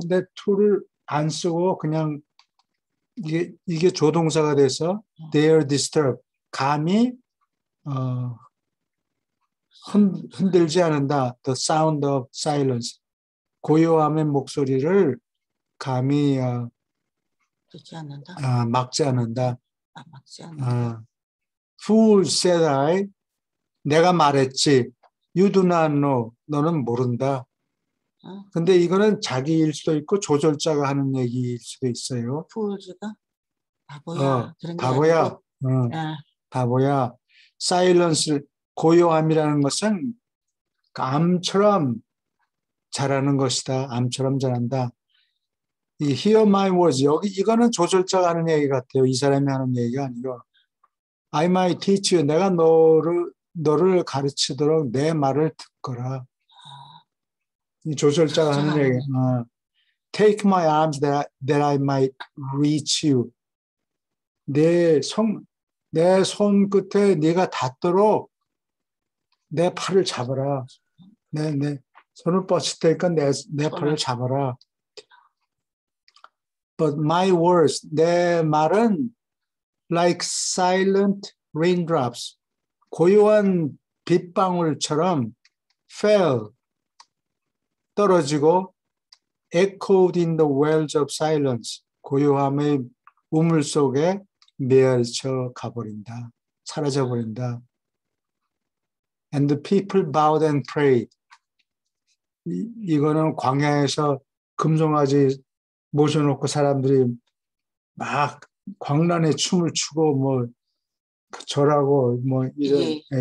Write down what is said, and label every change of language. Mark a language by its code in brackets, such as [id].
[ko] 근데 to를 안 쓰고 그냥 이게 조동사가 돼서 [en] dare disturb [ko] 감히 흔들지 않는다. [en] The sound of silence [ko] 고요함의 목소리를 감히 듣지 않는다. 막지 않는다. 막지 않는다. [en] Fool said I [ko] 내가 말했지. [en] You do not know [ko] 너는 모른다. 근데 이거는 자기일 수도 있고 조절자가 하는 얘기일 수도 있어요. 푸우즈가 바보야. 바보야. 바보야. Silence, 고요함이라는 것은 암처럼 자라는 것이다. 암처럼 자란다. [en] Hear my words. [ko] 여기 이거는 조절자가 하는 얘기 같아요. 이 사람이 하는 얘기가 아니고 [en] I might teach you. [ko] 내가 너를 가르치도록 내 말을 듣거라. 이 조절자가 하는 얘기. [en] Take my arms that I might reach you. [ko] 내 손끝에 네가 닿도록 내 팔을 잡아라. 내 손을 뻗칠 테니까 내 팔을 잡아라. [en] But my words, [ko] 내 말은 [en] like silent raindrops. [ko] 고요한 빗방울처럼 [en] fell. [ko] 떨어지고 [en] echoed in the wells of silence [ko] 고요함의 우물 속에 메어져 가버린다 사라져버린다 [en] and the people bowed and prayed [ko] 이거는 광야에서 금송아지 모셔놓고 사람들이 막 광란에 춤을 추고 뭐 절하고 뭐 이런 예.